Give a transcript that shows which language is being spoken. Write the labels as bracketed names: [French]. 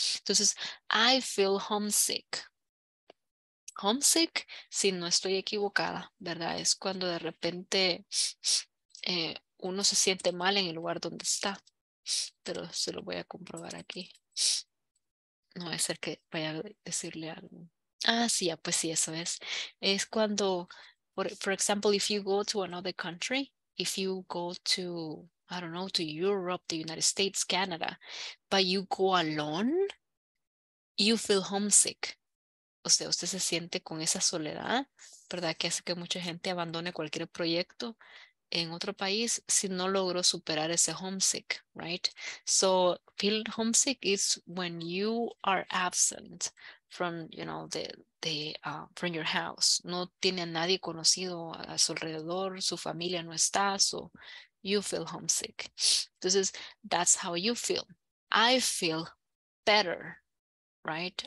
[Spanish] Entonces, [English] I feel homesick. [Spanish] Homesick, si no estoy equivocada, ¿verdad? Es cuando de repente uno se siente mal en el lugar donde está. Pero se lo voy a comprobar aquí. No es el que vaya a decirle algo. Ah, sí, pues sí, eso es. Es cuando, [English] for example, if you go to another country, if you go to, I don't know, to Europe, the United States, Canada, but you go alone, you feel homesick. [Spanish] O sea, usted se siente con esa soledad, ¿verdad? Que hace que mucha gente abandone cualquier proyecto en otro país si no logró superar ese homesick, [English] right? So feel homesick is when you are absent from, you know, from your house. [Spanish] No tiene a nadie conocido a su alrededor, su familia no está, [English] so you feel homesick. [Spanish] Entonces, [English] that's how you feel. I feel better, right?